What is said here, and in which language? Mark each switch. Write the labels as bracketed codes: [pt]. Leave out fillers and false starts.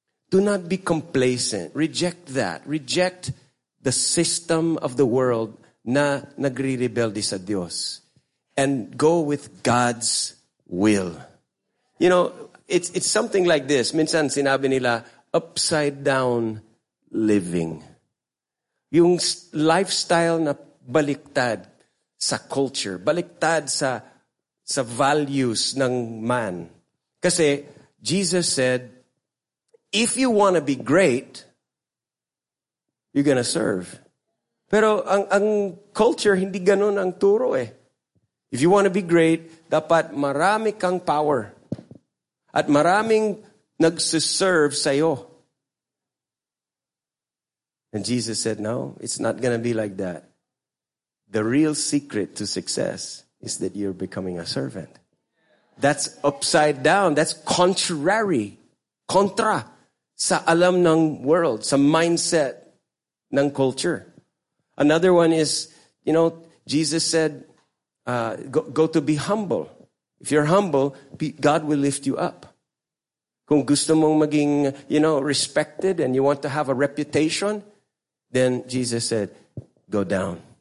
[en] Do not be complacent. Reject that. Reject the system of the world [tl] na nagre-rebelde sa Dios. [en] And go with God's will. You know, it's something like this. [tl] Minsan sinabi nila, upside down living. Yung lifestyle na baliktad sa culture, baliktad sa values ng man. [en] Kasi Jesus said, if you want to be great, you're going to serve. [tl] Pero ang culture, hindi ganun ang turo eh. [en] If you want to be great, [tl] dapat marami kang power. At maraming nagsiserve sa'yo. [en] And Jesus said, no, it's not going to be like that. The real secret to success is that you're becoming a servant. That's upside down. That's contrary. [tl] Contra sa alam ng world, sa mindset ng culture. [en] Another one is, you know, Jesus said, go to be humble. If you're humble, God will lift you up. [tl] Kung gusto mong maging, [en] you know, respected and you want to have a reputation, then Jesus said, go down.